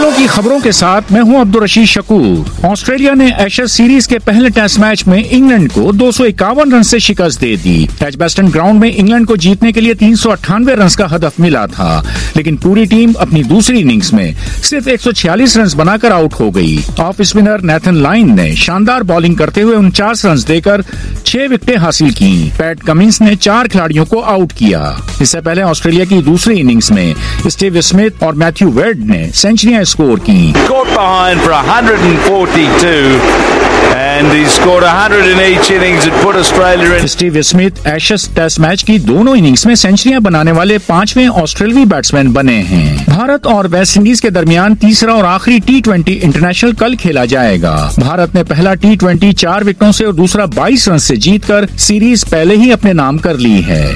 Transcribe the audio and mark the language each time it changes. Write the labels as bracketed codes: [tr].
[ur] خبروں کے ساتھ میں ہوں عبدالرشید شکور. آسٹریلیا نے ایشز سیریز کے پہلے ٹیسٹ میچ میں انگلینڈ کو 251 رن سے شکست دے دی. ٹچ بیسٹن گراؤنڈ میں انگلینڈ کو جیتنے کے لیے 398 رن کا ہدف ملا تھا لیکن پوری ٹیم اپنی دوسری اننگز میں صرف 146 رن بنا کر آؤٹ ہو گئی. آف اسپنر نیتھن لائن نے شاندار بالنگ کرتے ہوئے 49 رن دے کر 6 وکٹیں حاصل کی. پیٹ کمنس نے 4 کھلاڑیوں کو آؤٹ کیا. اس سے پہلے آسٹریلیا کی دوسری اننگز میں اسٹیو اسمتھ اور میتھیو ویڈ نے سینچریاں score [en] Caught behind for 142 and he scored 100 in each innings and put Australia in. [ur] Steve Smith Ashes test match کی دونوں اننگز میں سینچریاں بنانے والے پانچویں آسٹریلوی بیٹسمین بنے ہیں. بھارت اور ویسٹ انڈیز کے درمیان تیسرا اور آخری T20 انٹرنیشنل کل کھیلا جائے گا. بھارت نے پہلا T20 4 وکٹوں سے اور دوسرا 22 رن سے جیت کر سیریز پہلے ہی اپنے نام کر لی ہے.